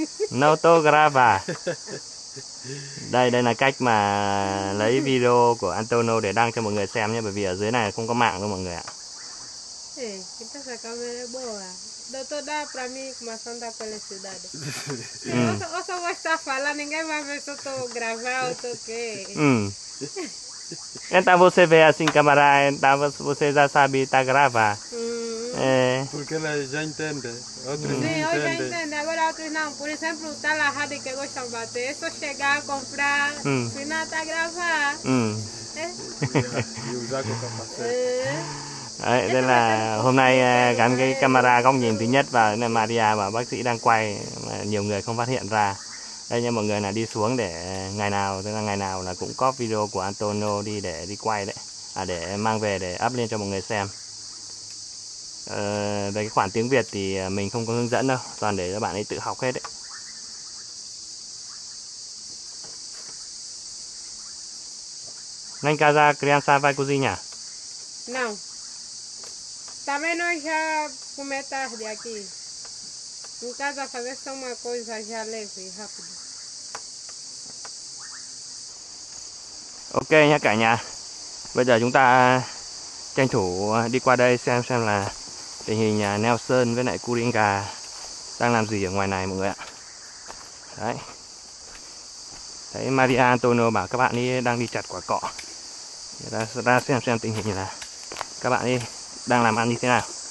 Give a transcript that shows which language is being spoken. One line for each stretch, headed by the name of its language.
Portuguese: No to grava.
Vietnamese: Đây đây là cách mà lấy video của Antonio để đăng cho mọi người xem nhé, bởi vì ở dưới này không có mạng đâu mọi người ạ.
Portuguese: Então essa câmera é boa. Doutor, dá para mim começar a andar pela cidade. Ou só vou estar falando, ninguém vai ver se eu estou gravando ou estou o quê. Então você vê assim, camarada, então você já sabe tá gravar. É. Porque ela já entende. Outros Sim, entende. Eu já entendo, agora outros não. Por exemplo, tá lá a rádio que gosta de bater. É só chegar, comprar, final tá gravar. E usar com capacete.
Vietnamese: Đấy, đây là hôm nay gắn cái camera góc nhìn thứ nhất vào là Maria và bác sĩ đang quay mà nhiều người không phát hiện ra. Đây nha mọi người, là đi xuống để ngày nào, tức là ngày nào là cũng có video của Antonio đi để đi quay đấy, à để mang về để up lên cho mọi người xem. Về cái khoản tiếng Việt thì mình không có hướng dẫn đâu, toàn để cho bạn ấy tự học hết đấy.
Portuguese: Nên casa criança vai cozinha? Não. Também nós já comemos tarde aqui. Em casa fazer só uma coisa já leve e rápido.
Vietnamese: Ok nha cả nhà. Bây giờ chúng ta tranh thủ đi qua đây xem là tình hình nhà Nelson với lại Kuringa đang làm gì ở ngoài này mọi người ạ. Đấy. Đấy, Maria Antonio bảo các bạn ấy đang đi chặt quả cọ. Ra xem tình hình là các bạn ấy đang làm ăn như thế nào.